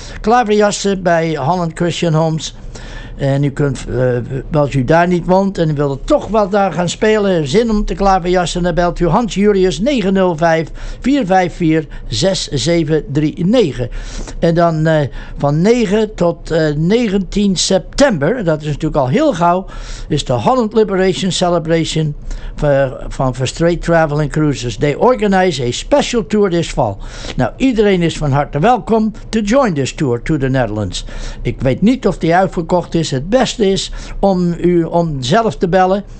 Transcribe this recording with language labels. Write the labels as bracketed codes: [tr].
[nl] Klaverjassen bij Holland Christian Homes. En u kunt, als u daar niet woont en u wilt toch wel daar gaan spelen, zin om te klaverjassen, dan belt u Hans Jurius 905 454 6739. En dan van 9 tot 19 september, dat is natuurlijk al heel gauw, is de Holland Liberation Celebration van Verstraet Traveling Cruises. [en] They organize a special tour this fall. [nl] Nou, iedereen is van harte welkom [en] to join this tour to the Netherlands. [nl] Ik weet niet of die uitverkocht is. Het beste is om zelf te bellen.